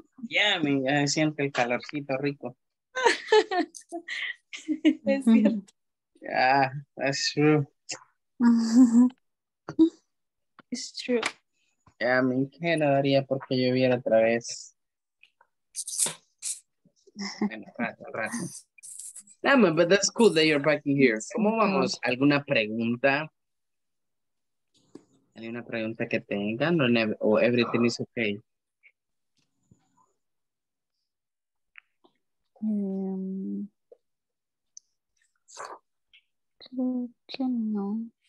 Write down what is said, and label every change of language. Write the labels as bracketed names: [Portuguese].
[Spanish] Ya, me siento el calorcito rico. Es cierto. [English] Ya, yeah, that's true. It's true. [Spanish] Ya, yeah, me quedaría porque lloviera otra vez. Bueno, rato. [English] Nah, man, but that's cool that you're back in here. [Spanish] ¿Cómo vamos? ¿Alguna pregunta? ¿Hay una pregunta que tengan o [English] everything is okay? [Spanish] Creo que no.